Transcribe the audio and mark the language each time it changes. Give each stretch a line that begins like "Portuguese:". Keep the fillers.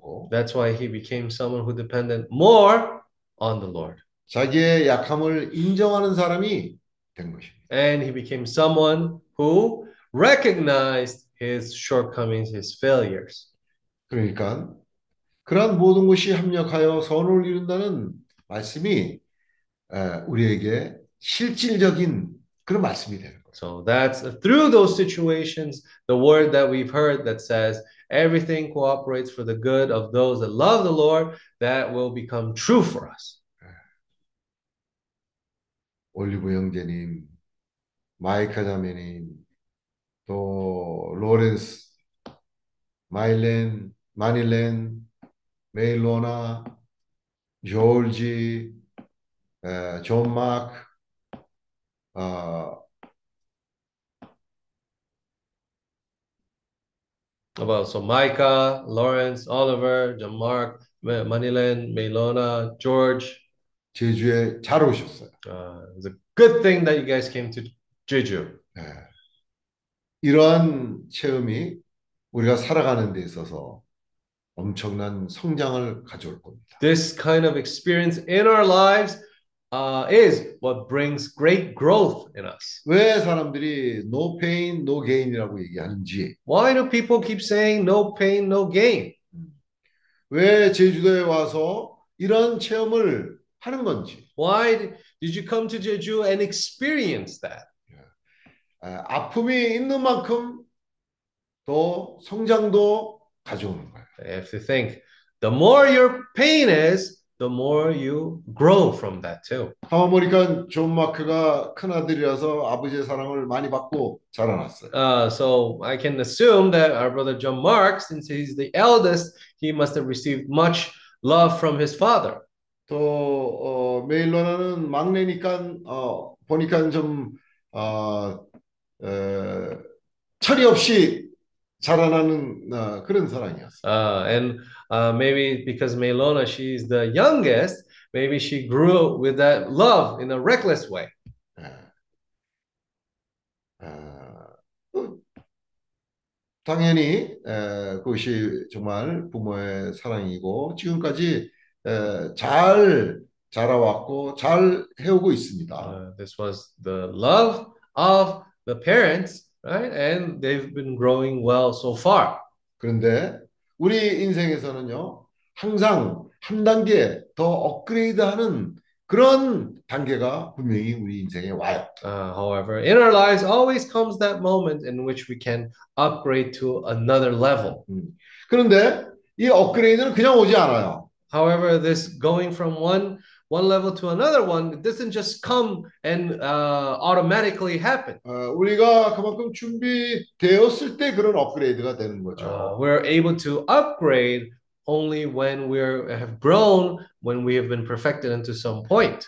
English: That's why he became someone who depended more on the Lord.
Korean: 자기의 약함을 인정하는 사람이 된 것입니다.
English: And he became someone who recognized his shortcomings, his failures.
Korean: 그러니까 그런 모든 것이 합력하여 선을 이룬다는 말씀이 에, 우리에게 실질적인 그런 말씀이 되는 거예요.
English: So that's through those situations the word that we've heard that says everything cooperates for the good of those that love the Lord that will become true for us.
Korean: 올리브영 제님, 마이카 자매님, 또 로렌스, 마일렌, 마닐렌, 메일로나, 조지, 존 마크, 어,
English: About so Micah, Lawrence, Oliver, John Mark, Manilan, Melona, George.
Korean: 제주에 잘 오셨어요.
English: Uh, it's a good thing that you guys came to Jeju.
Korean: 네. 이러한 체험이 우리가 살아가는 데 있어서 엄청난 성장을 가져올 겁니다.
English: This kind of experience in our lives uh, is what brings great growth in us.
Korean: 왜 사람들이
English: no pain, no gain
Korean: 이라고 얘기하는지.
English: Why do people keep saying no pain, no gain?
Korean: 왜 제주도에 와서 이런 체험을
English: Why did you come to Jeju and experience that? Yeah.
Korean: 아픔이 있는 만큼 또 성장도 가져오는 거예요.
English: If you think the more your pain is, the more you grow from that too.
Korean: 하와 머리가 존 마크가 큰 아들이라서 아버지의 사랑을 많이 받고 자라났어요.
English: Uh, so I can assume that our brother John Mark, since he's the eldest, he must have received much love from his father.
Korean: 또 어, 메일로나는 막내니까 어, 보니까 좀 어, 에, 철이 없이 자라나는 어, 그런 사람이었어.
English: 아, uh, and uh, maybe because Melona she is the youngest, maybe she grew with that love in a reckless way.
Korean: 아, 아, 당연히 에, 그것이 정말 부모의 사랑이고 지금까지. 잘 자라왔고 잘 해오고 있습니다.
English: Uh, this was the love of the parents, right? And they've been growing well so far.
Korean: 그런데 우리 인생에서는요 항상 한 단계 더 업그레이드하는 그런 단계가 분명히 우리 인생에 와요.
English: Uh, however, in our lives always comes that moment in which we can upgrade to another level. 음.
Korean: 그런데 이 업그레이드는 그냥 오지 않아요.
English: However, this going from one one level to another one it doesn't just come and uh, automatically happen.
Korean: Uh, 우리가 그만큼 준비되었을 때 그런 업그레이드가 되는 거죠.
English: Uh, we're able to upgrade only when we have grown, when we have been perfected into some point.